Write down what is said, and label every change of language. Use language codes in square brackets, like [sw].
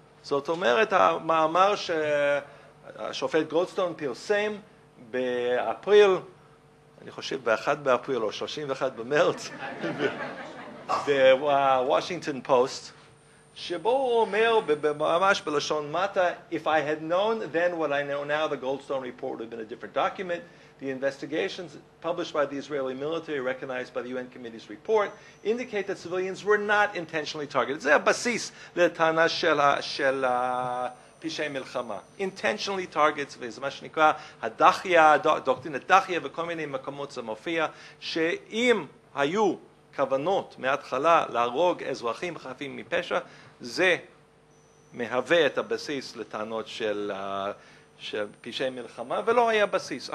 [he] זאת אומרת, המאמר שהשופט גולדסטון פרסם באפריל, אני חושב באחד באפריל או 31 במרץ, בוושינגטון פוסט, שבו הוא אומר ממש בלשון מטה, [en] If I had known then what I know now, the Goldstone report would have been a different document. The investigations published by the Israeli military, recognized by the UN Committee's report, indicate that civilians were not intentionally targeted. [he] זה הבסיס לטענה של פשעי מלחמה. [en] Intentionally targets, [he] וזה מה שנקרא הדחיה, דוקטרינת דחיה, וכל מיני מקומות זה מופיע, שאם היו כוונות מההתחלה להרוג אזרחים חפים מפשע, זה מהווה את הבסיס לטענות של פשעי מלחמה, ולא היה בסיס.